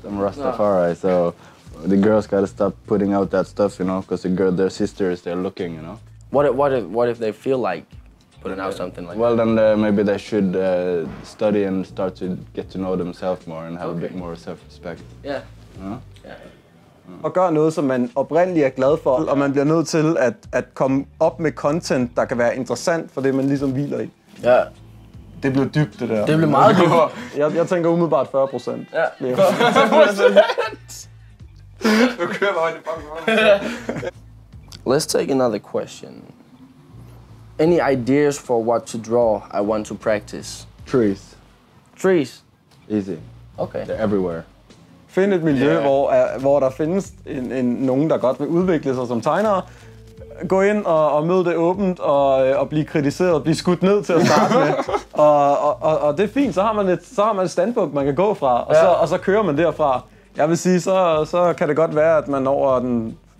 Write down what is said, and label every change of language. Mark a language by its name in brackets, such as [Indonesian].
[English] I'm Rastafari, so the girls gotta stop putting out that stuff, you know, because the girl, their sisters, they're looking, you know? What if they feel like putting out something like well, that? Well, then maybe they should study and start to get to know themselves more and have a bit more self-respect. Yeah. [Danish] Og gør noget, som man oprindeligt er glad for, og man bliver nødt til at komme op med content, der kan være interessant for det, man ligesom hviler i. Ja. Det bliver dybt, det der. Det bliver meget dybt. Jeg tænker umiddelbart 40%. Ja. 40%? Du kører bare i banken. [English] Let's take another question. Any ideas for what to draw I want to practice? Trees. Trees? Easy. Okay. They're everywhere. [Danish] Find et miljø, hvor der findes nogen, der godt vil udvikle sig som tegnere. Gå ind og mød det åbent og blive kritiseret, blive skudt ned til at starte med. Og det er fint, så har man et standpunkt, man kan gå fra, og så kører man derfra. Jeg vil sige, så kan det godt være, at man over den